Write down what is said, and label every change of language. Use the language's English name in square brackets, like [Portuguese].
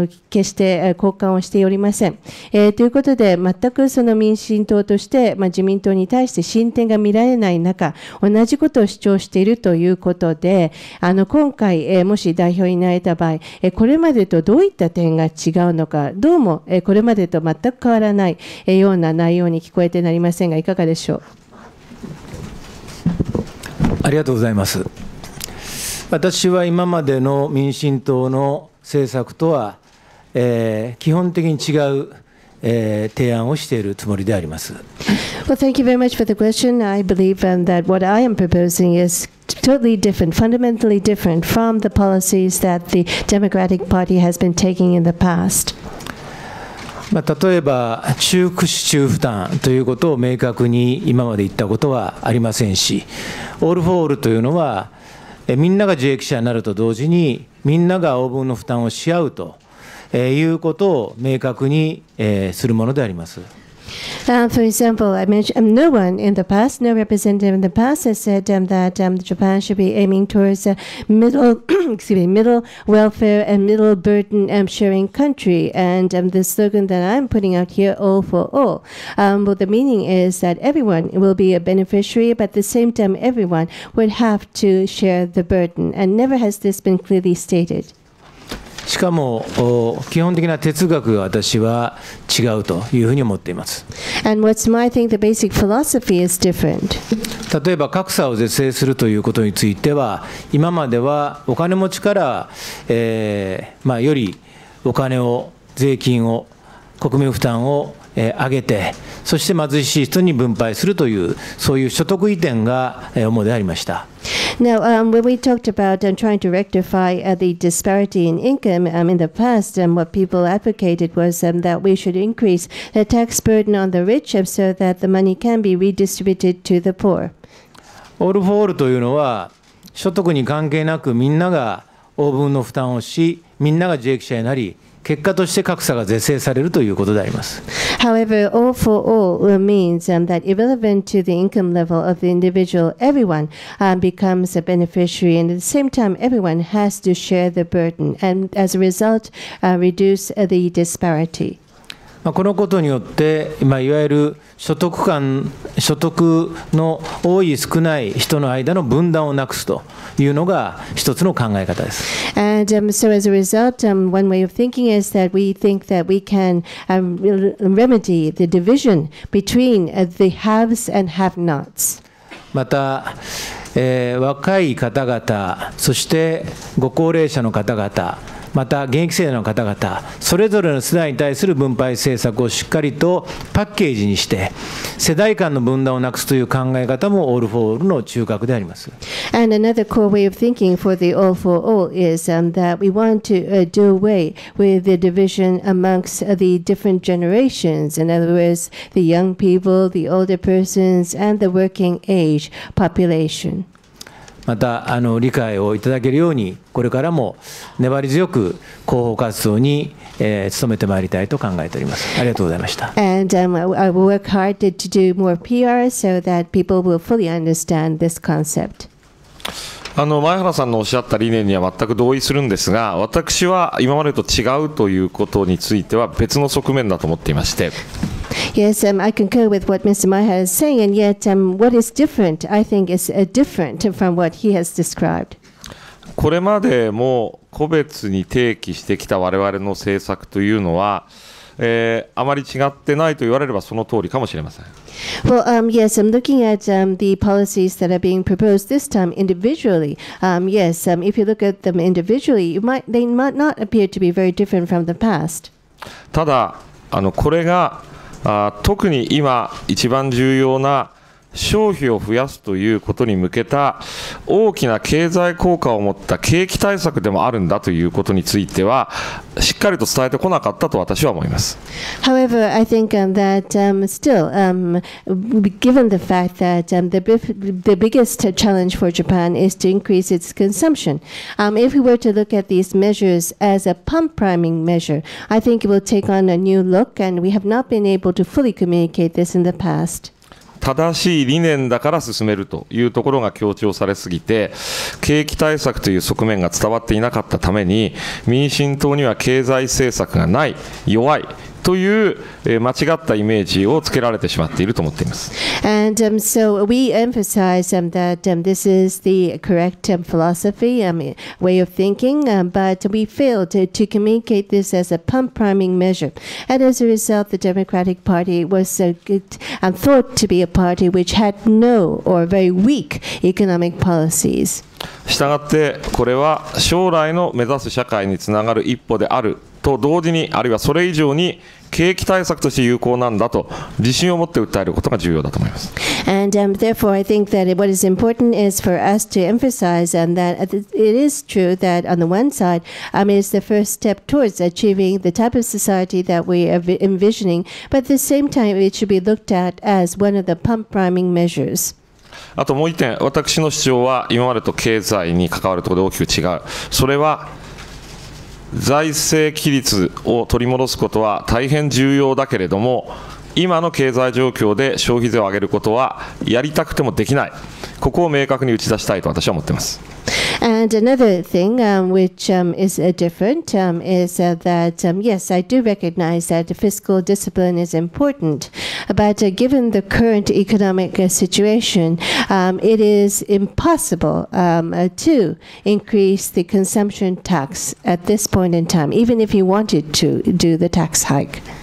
[Japanese] 決して交換をしておりません、ということで全くその民進党として、自民党に対して進展が見られない中、同じことを主張しているということで、今回、もし代表になれた場合、これまでとどういった点が違うのか、どうもこれまでと全く変わらないような内容に聞こえてなりませんが、いかがでしょう。ありがとうございます。私は今までの民進党の政策とは、基本的に違う、提案をしているつもりであります。 [English] Well, thank you very much for the question. I believe that what I am proposing isTotally different, fundamentally different from the policies that the Democratic Party has been taking in the past. [Japanese] 例えば中苦し中負担ということを明確に今まで言ったことはありませんし、オールフォールというのはみんなが受益者になると同時にみんなが応分の負担をし合うということを明確にするものであります。 [English] For example, I mentioned no one in the past, no representative in the past has said that Japan should be aiming towards a middle, middle welfare and middle burden sharing country. And the slogan that I'm putting out here, all for all, well, the meaning is that everyone will be a beneficiary, but at the same time, everyone would have to share the burden. And never has this been clearly stated. [Japanese] しかも基本的な哲学が私は違うというふうに思っています。 [English] And what's my thing, the basic philosophy is different. [Japanese] 例えば格差を是正するということについては、今まではお金持ちから、よりお金を、税金を、国民負担を、上げて、そして貧しい人に分配するという、そういう所得移転が、主でありました。 [English] Now, when we talked about trying to rectify the disparity in income in the past, what people advocated was that we should increase the tax burden on the rich so that the money can be redistributed to the poor. All for all [Japanese] というのは、所得に関係なくみんなが応分の負担をし、みんなが受益者になり、結果として格差が是正されるということであります。 [English] However, all for all means that irrelevant to the income level of the individual, everyone becomes a beneficiary, and at the same time, everyone has to share the burden, and as a result, reduce the disparity. [Japanese] このことによって、いわゆる所得の多い少ない人の間の分断をなくすというのが一つの考え方です。 [English] And so as a result, one way of thinking is that we think that we can remedy the division between the haves and have-nots. [Japanese] また、若い方々、そしてご高齢者の方々、また現役世代の方々、それぞれの世代に対する分配政策をしっかりとパッケージにして、世代間の分断をなくすという考え方もオールフォーオールの中核であります。 [English] And another core way of thinking for the all for all is that we want to do away with the division amongst the different generations. In other words, the young people, the older persons, and the working age population. [Japanese] また理解をいただけるようにこれからも粘り強く広報活動に努めてまいりたいと考えております。ありがとうございました。 [English] And, I will work hard to do more PR so that people will fully understand this concept. [Japanese] 前原さんのおっしゃった理念には全く同意するんですが、私は今までと違うということについては別の側面だと思っていまして、 [English] Yes, I concur with what Mr. Maiha is saying, and yet what is different, I think, is different from what he has described. [Japanese] これまでも個別に提起してきた我々の政策というのは、あまり違ってないと言われればその通りかもしれません。 [English] Well, yes, I'm looking at the policies that are being proposed this time individually. Yes, if you look at them individually, they might not appear to be very different from the past. [Japanese] ただ、これが特に今一番重要な消費を増やすということに向けた大きな経済効果を持った景気対策でもあるんだということについてはしっかりと伝えてこなかったと私は思います。 [English] However, I think that still given the fact that the biggest challenge for Japan is to increase its consumption, if we were to look at these measures as a pump priming measure, I think it will take on a new look and we have not been able to fully communicate this in the past. [Japanese] 正しい理念だから進めるというところが強調されすぎて景気対策という側面が伝わっていなかったために民進党には経済政策がない弱いという間違ったイメージをつけられてしまっていると思っています。 [English] And, so we emphasize that this is the correct philosophy, way of thinking, but we failed to communicate this as a pump priming measure. And as a result, the Democratic Party was thought to be a party which had no or very weak economic policies. [Japanese] したがってこれは将来の目指す社会につながる一歩であると同時にあるいはそれ以上に景気対策として有効なんだと自信を持って訴えることが重要だと思います。 [English] And, therefore I think that what is important is for us to emphasize that it is true that on the one side it's the first step towards achieving the type of society that we are envisioning, but at the same time it should be looked at as one of the pump priming measures. [Japanese] あともう一点、私の主張は今までと経済に関わるところで大きく違う。それは財政規律を取り戻すことは大変重要だけれども、今の経済状況で消費税を上げることはやりたくてもできない。ここを明確に打ち出したいと私は思っています。 [English] And another thing which is different is that yes, I do recognize that fiscal discipline is important, but given the current economic situation, it is impossible to increase the consumption tax at this point in time, even if you wanted to do the tax hike.